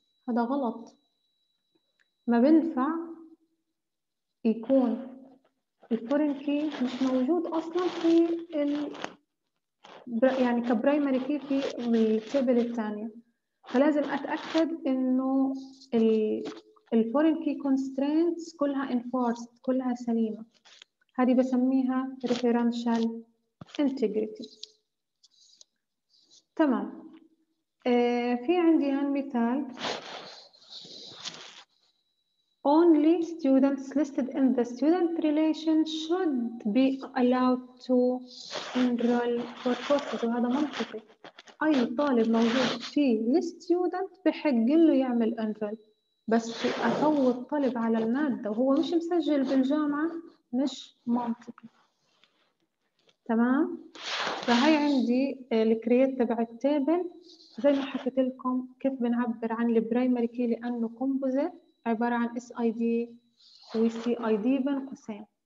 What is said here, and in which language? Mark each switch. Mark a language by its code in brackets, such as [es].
[ar] هذا غلط، ما بينفع يكون الفورين كي مش موجود اصلا في يعني كبرايمري كي في التيبل الثانيه. فلازم اتاكد انه الفورين كي كونسترينتس كلها انفورسد، كلها سليمه. هذه بسميها ريفرنشال انتجريتي. تمام. في عندي هالمثال [en] only students listed in the student relation should be allowed to enroll for courses. [ar] وهذا منطقي، أي طالب موجود في الستودنت بحق له يعمل انرول، بس أفوت طالب على المادة وهو مش مسجل بالجامعة مش منطقي. تمام. فهي عندي الكرييت تبع التابل، زي ما حكيت لكم كيف بنعبر عن البرايمري كي لأنه كومبوزيت عبارة عن اس اي دي و سي اي دي بين قوسين.